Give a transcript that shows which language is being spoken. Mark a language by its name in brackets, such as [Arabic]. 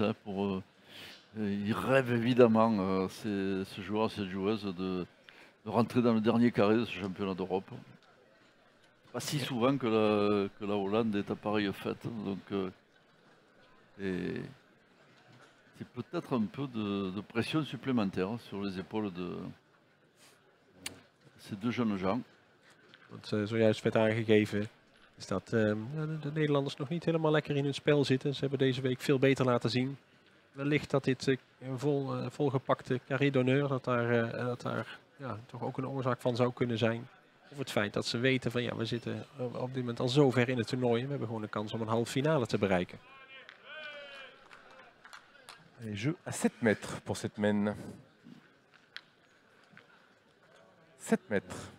[French] Hein, pour ils rêvent évidemment, ce joueur, cette joueuse, de rentrer dans le dernier carré de ce championnat d'Europe. Pas si souvent que la Hollande est à pareille fête. Donc, et c'est peut-être un peu de pression supplémentaire sur les épaules de ces deux jeunes gens. [Dutch] Wat zojuist werd aangegeven, is dat de Nederlanders nog niet helemaal lekker in hun spel zitten. Ze hebben deze week veel beter laten zien. Wellicht dat dit volgepakte carré d'honneur, dat daar toch ook een oorzaak van zou kunnen zijn. Of het feit dat ze weten van ja, we zitten op dit moment al zo ver in het toernooi. We hebben gewoon de kans om een halve finale te bereiken. [French] Een jeu à 7 mètres pour cette main. 7 mètres.